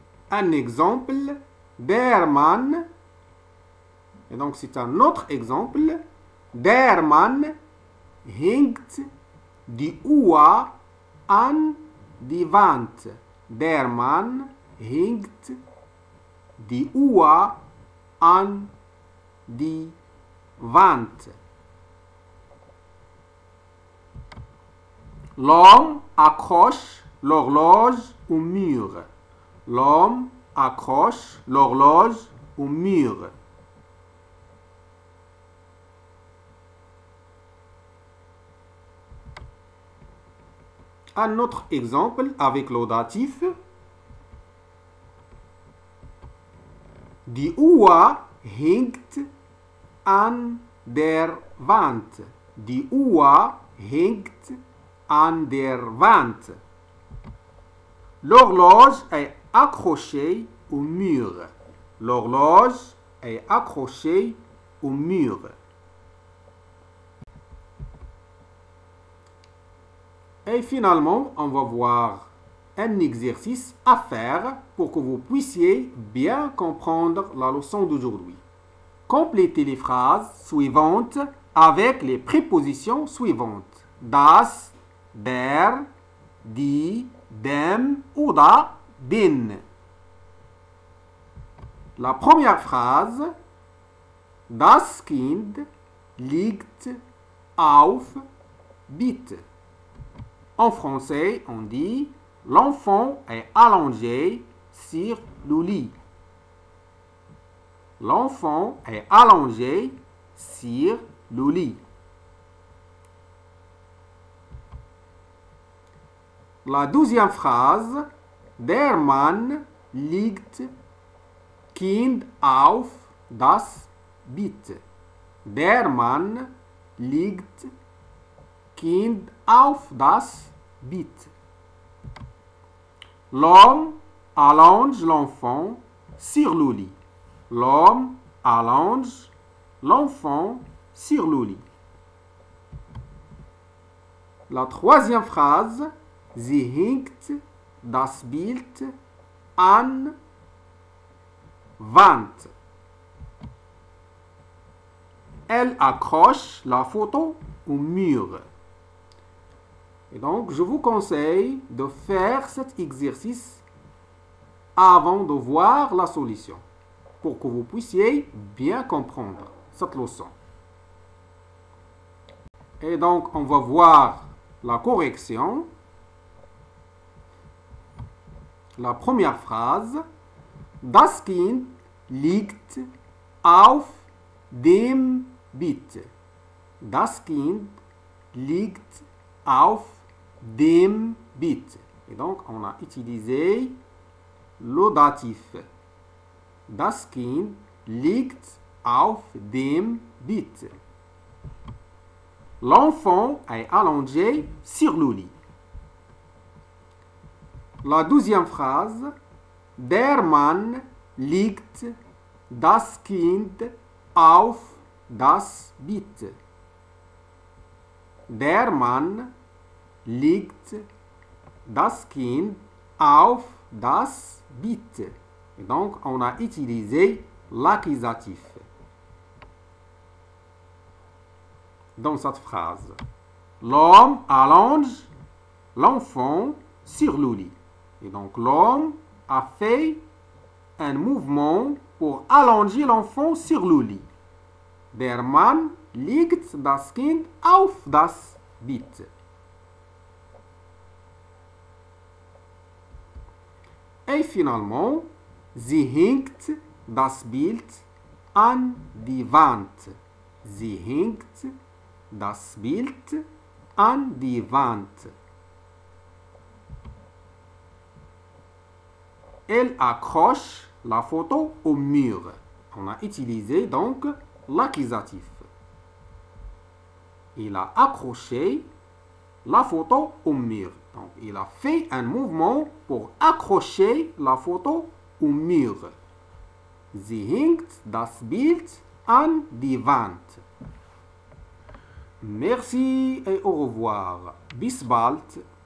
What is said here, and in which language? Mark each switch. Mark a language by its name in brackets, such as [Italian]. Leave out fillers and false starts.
[French] Un exemple. Der Mann. Et donc, c'est un autre exemple. [German] Der Mann hängt die Uhr an die Wand. Der Mann hängt die Uhr an die Wand. [French] L'homme accroche l'horloge au mur. L'homme accroche l'horloge au mur. Un autre exemple avec le datif. [German] Die Uhr hängt an der Wand. Die Uhr hängt an der Wand. [French] L'horloge est accrochée au mur. L'horloge est accrochée au mur. Et finalement, on va voir un exercice à faire pour que vous puissiez bien comprendre la leçon d'aujourd'hui. Complétez les phrases suivantes avec les prépositions suivantes. [German] Das, der, die, dem, oder, den. [French] La première phrase. [German] Das Kind liegt auf Bett. [French] En français, on dit « L'enfant est allongé sur le lit. » L'enfant est allongé sur le lit. La deuxième phrase [German] « Der Mann liegt Kind auf das Bett. » « Der Mann liegt Kind auf das Bit. [French] L'homme allonge l'enfant sur le lit. L'homme allonge l'enfant sur le lit. La troisième phrase. [German] Sie hängt das Bild an Wand. [French] Elle accroche la photo au mur. Et donc, je vous conseille de faire cet exercice avant de voir la solution pour que vous puissiez bien comprendre cette leçon. Et donc, on va voir la correction. La première phrase. [German] Das Kind liegt auf dem Bett. Das Kind liegt auf dem Bett. [French] Et donc, on a utilisé le datif. [German] Das Kind liegt auf dem Bett. [French] L'enfant est allongé sur le lit. La deuxième phrase. [German] Der Mann liegt das Kind auf das Bett. Der Mann liegt das Kind auf das Bett. [French] Donc, on a utilisé l'accusatif dans cette phrase. L'homme allonge l'enfant sur le lit. Et donc, l'homme a fait un mouvement pour allonger l'enfant sur le lit. [German] Der Mann liegt das Kind auf das Bett. [French] Et finalement, [German] sie hängt das Bild an die Wand. Sie hängt das Bild an die Wand. [French] Elle accroche la photo au mur. On a utilisé donc l'accusatif. Il a accroché la photo au mur. Donc, il a fait un mouvement pour accrocher la photo au mur. [German] Sie hängt das Bild an die Wand. [French] Merci et au revoir. [German] Bis bald.